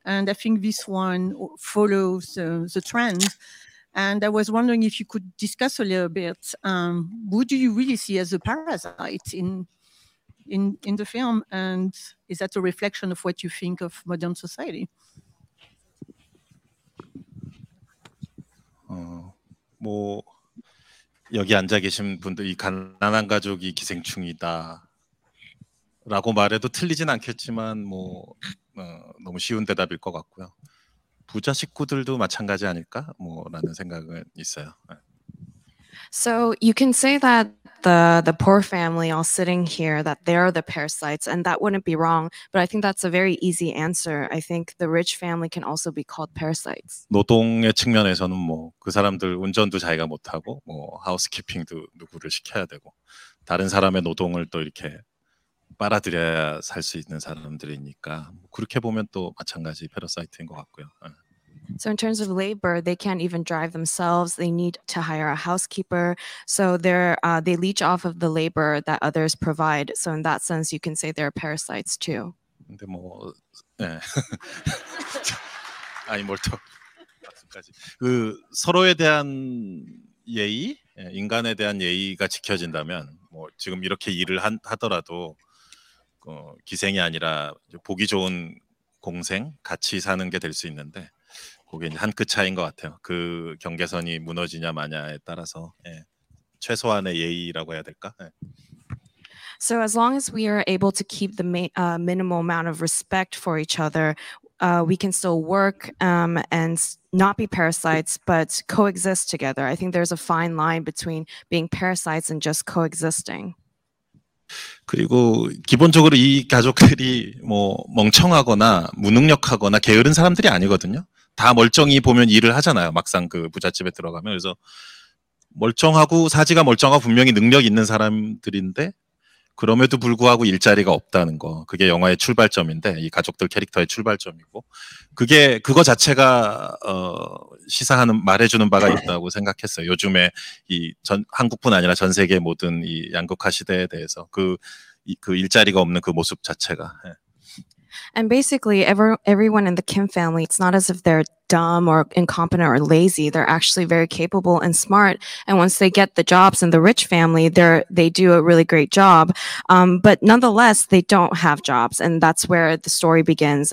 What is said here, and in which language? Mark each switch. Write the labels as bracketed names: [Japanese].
[English] And I think this one follows the trend. And I was wondering if you could discuss a little bit, who do you really see as a parasite in the film, and is that a reflection of what you think of modern society? [Korean] Well, 여기 앉아 계신 분들, 이 가난한 가족이 기생충이다라고 말해도 틀리진 않겠지만, 뭐 너무 쉬운 대답일 것 같고요. 부자 식구들도 마찬가지 아닐까? 뭐라는 생각은 있어요. [English] So you can say that the poor family all sitting here, that they're the parasites, and that wouldn't be wrong, but I think that's a very easy answer. I think the rich family can also be called parasites. [Korean] 노동의 측면에서는 뭐 그 사람들 운전도 자기가 못하고 뭐 하우스키핑도 누구를 시켜야 되고 다른 사람의 노동을 또 이렇게 빨아들여야 살 수 있는 사람들이니까 그렇게 보면 또 마찬가지 parasite인 것 같고요. [English] So in terms of labor, they can't even drive themselves. They need to hire a housekeeper. So they leech off of the labor that others provide. So in that sense, you can say they're parasites too. [Korean] 근데 뭐, 네. 아니 뭘 또 말씀까지. 그 서로에 대한 예의, 인간에 대한 예의가 지켜진다면, 뭐 지금 이렇게 일을 하더라도 기생이 아니라 보기 좋은 공생, 같이 사는 게 될 수 있는데. 그게 이제 한 끗 차이인 것 같아요. 그 경계선이 무너지냐 마냐에 따라서 예, 최소한의 예의라고 해야 될까? 예. [English] So as long as we are able to keep the minimal amount of respect for each other, we can still work and not be parasites, but coexist together. I think there's a fine line between being parasites and just coexisting. [Korean] 그리고 기본적으로 이 가족들이 뭐 멍청하거나 무능력하거나 게으른 사람들이 아니거든요. 다 멀쩡히 보면 일을 하잖아요. 막상 그 부잣집에 들어가면. 그래서 멀쩡하고 사지가 멀쩡하고 분명히 능력 있는 사람들인데 그럼에도 불구하고 일자리가 없다는 거. 그게 영화의 출발점인데 이 가족들 캐릭터의 출발점이고 그게 그거 자체가 시사하는 말해주는 바가 있다고 생각했어요. 요즘에 이 한국뿐 아니라 전 세계 모든 이 양극화 시대에 대해서 그 일자리가 없는 그 모습 자체가. [English] And basically, everyone in the Kim family, it's not as if they're dumb or incompetent or lazy. They're actually very capable and smart. And once they get the jobs in the rich family, they do a really great job. But nonetheless, they don't have jobs. And that's where the story begins.